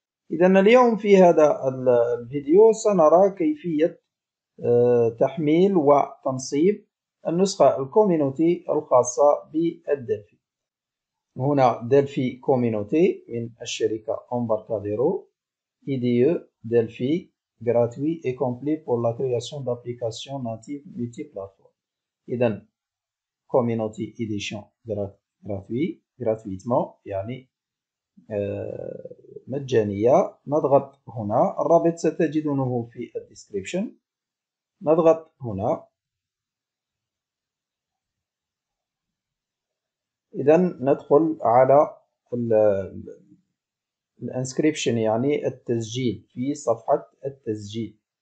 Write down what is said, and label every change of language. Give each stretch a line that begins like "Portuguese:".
Arabic: إذن اليوم في هذا الفيديو سنرى كيفية تحميل وتنصيب النسخة الكوميونتي الخاصة بالدلفي. هنا دلفي كوميونتي من الشركة أمبركادرو،
French: IDE Delphi gratuit et complet pour la création d'applications natives multiplateformes. Et dans Community Edition gratuit, gratuitement,
Arabic: يعني مجانية. نضغط هنا. الرابط ستجدونه في الديسكريبشن. نضغط هنا. إذا ندخل على الانسكريبشن يعني التسجيل في صفحة التسجيل.